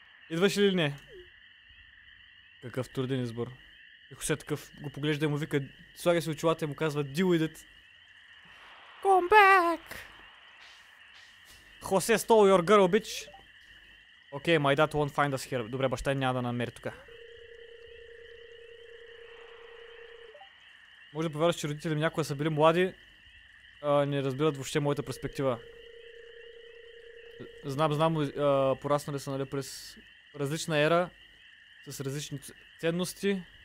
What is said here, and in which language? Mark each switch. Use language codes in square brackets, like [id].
[bg] Идваш ли не? Какъв труден избор. И Хосе такъв го поглежда и му вика, слага се очилата и му казва, [en] deal with it. Come back! Хосе, stole your girl, bitch. Okay, my dad won't find us here. [bg] Добре, баща няма да намери тука. Може да повярваш, че родители ми някога са били млади, а не разбират въобще моята перспектива. Знам, пораснали са, нали, през различна ера, с различни ценности.